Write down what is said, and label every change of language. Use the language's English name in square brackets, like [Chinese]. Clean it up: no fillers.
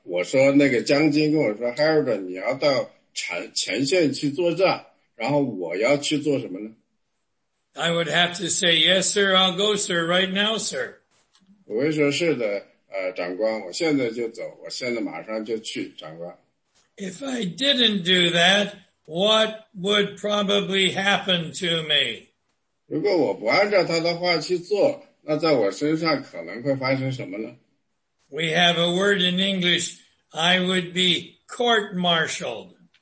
[Chinese] 所以呢，如果我现在处在战争状况下，我说那个将军跟我说 Harold， 你要到前线去作战，然后我要去做什么呢？ [English] I would have to say, yes, sir, I'll go, sir, right now, sir. [Chinese] 我会说是的。长官，我现在就走，我现在马上就去，长官。 [English] If I didn't do that, what would probably happen to me? [Chinese] 如果我不按照他的话去做，那在我身上可能会发生什么呢？ [English] We have a word in English, I would be court-martialed.